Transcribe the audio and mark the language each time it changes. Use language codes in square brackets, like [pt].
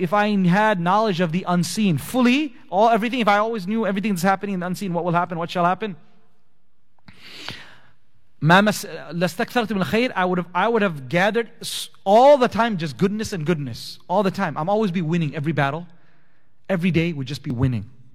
[en] If I had knowledge of the unseen fully, all everything, if I always knew everything that's happening in the unseen, what will happen, what shall happen? [ar] لستكثرت من الخير. [en] I would have gathered all the time just goodness and goodness. All the time. I'm always be winning every battle. Every day would just be winning.